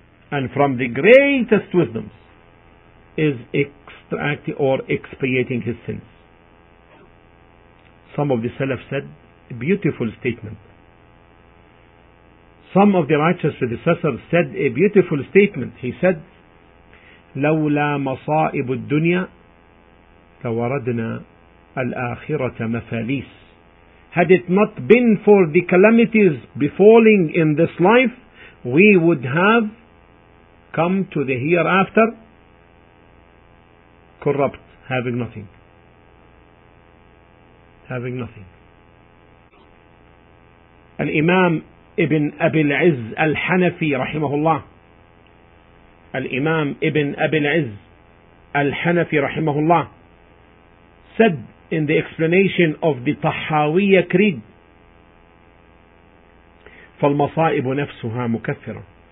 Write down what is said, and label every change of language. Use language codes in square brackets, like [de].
[en] And from the greatest wisdoms is extracting or expiating his sins. Some of the Salaf said, a beautiful statement. Some of the righteous predecessors said a beautiful statement. He said, [ar] لولا مصائب الدنيا لوردنا الآخرة مفاليس. [en] Had it not been for the calamities befalling in this life, we would have come to the hereafter corrupt, having nothing. [ar] الإمام ابن أبي العز الحنفي رحمه الله. الإمام ابن أبي العز الحنفي رحمه الله [en] said in the explanation of the [ar] طحاوية creed, فالمصائب نفسها مكفرة.